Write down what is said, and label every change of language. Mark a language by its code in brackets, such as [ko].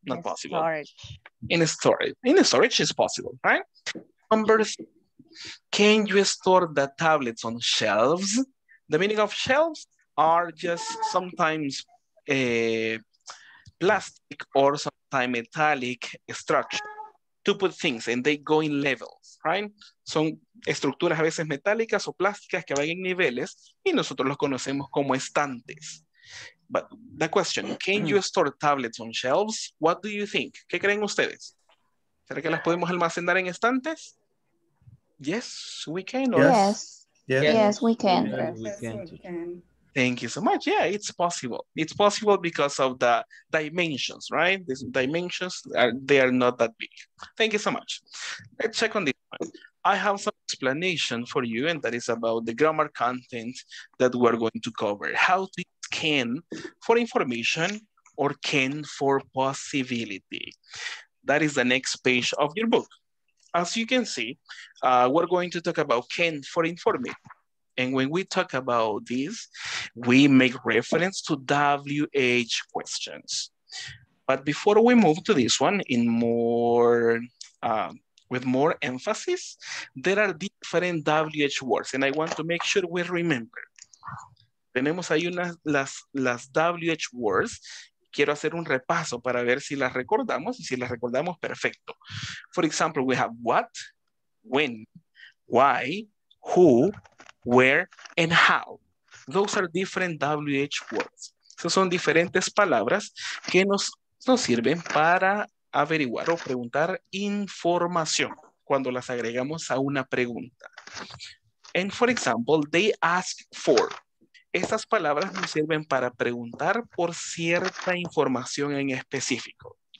[en] Not possible. In storage is possible, right? Numbers. Can you store the tablets on shelves? The meaning of shelves are just sometimes a plastic or sometimes metallic structure to put things, and they go in levels, right? [es] Son estructuras a veces metálicas o plásticas que van en niveles, y nosotros los conocemos como estantes. [en] But the question, can you store tablets on shelves? What do you think? [es] ¿Qué creen ustedes? ¿Será que las podemos almacenar en estantes? [en] Yes, we can. Or... Yes. Yes, we can. Thank you so much. Yeah, it's possible. It's possible because of the dimensions, right? These dimensions, they are not that big. Thank you so much. Let's check on this one. I have some explanation for you, and that is about the grammar content that we're going to cover. How to use can for information or can for possibility. That is the next page of your book. As you can see, we're going to talk about can for information. And when we talk about this, we make reference to WH questions. But before we move to this one in more, with more emphasis, there are different WH words, and I want to make sure we remember. [es] Tenemos ahí unas, las WH words. Quiero hacer un repaso para ver si las recordamos, y si las recordamos, perfecto. [en] For example, we have what, when, why, who, where, and how. Those are different WH words. [es] Esas son diferentes palabras que nos sirven para averiguar o preguntar información cuando las agregamos a una pregunta. [en] And for example, they ask for. [es] Esas palabras nos sirven para preguntar por cierta información en específico.